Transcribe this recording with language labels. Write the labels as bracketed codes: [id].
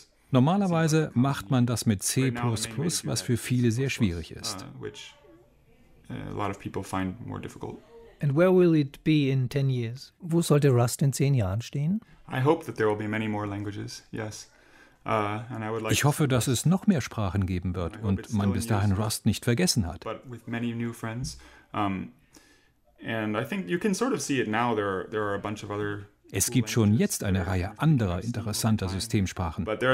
[de] Normalerweise macht man das mit C++, was für viele sehr schwierig ist. [en] And where will it be in 10 years? [de] Wo sollte Rust in 10 Jahren stehen? [en] I hope that there will be many more languages. Yes. [de] Ich hoffe, dass es noch mehr Sprachen geben wird und man bis dahin Rust nicht vergessen hat. [en] And I think you can sort of see it now. There are a bunch of other [de] Es gibt schon jetzt eine Reihe anderer interessanter Systemsprachen.